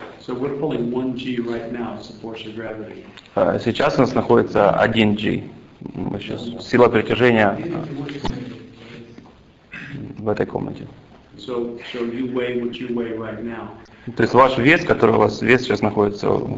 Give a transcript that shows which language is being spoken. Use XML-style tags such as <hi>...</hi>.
<en>So we're pulling 1 G right now, it's the force of gravity.</en> <ru>Сейчас у нас находится 1 G. Сейчас сила притяжения в этой комнате.</ru> <en>So you weigh what you weigh right now.</en> <ru>То есть ваш вес, который у вас вес сейчас находится.</ru>